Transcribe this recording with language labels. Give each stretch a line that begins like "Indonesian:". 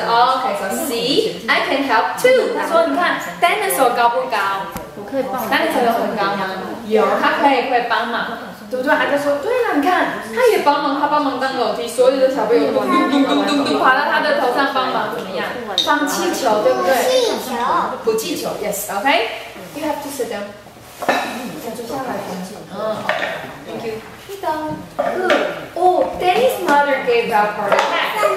English: Okay, so see, I can help too.
Chinese: 他说，你看 ，dinosaur 高不高？我可以帮。 dinosaur 有很高吗？有，他可以会帮忙，对不对？他就说，对了，你看，他也帮忙，他帮忙当楼梯，所有的小朋友都咚咚咚咚咚爬到他的头上帮忙，怎么样？放气球，对不对？气球，补气球
English: ，Yes, OK. You have to sit down.
Chinese: 坐下来，很久。
English: Thank you. Good. Oh, Danny's mother gave that part of that.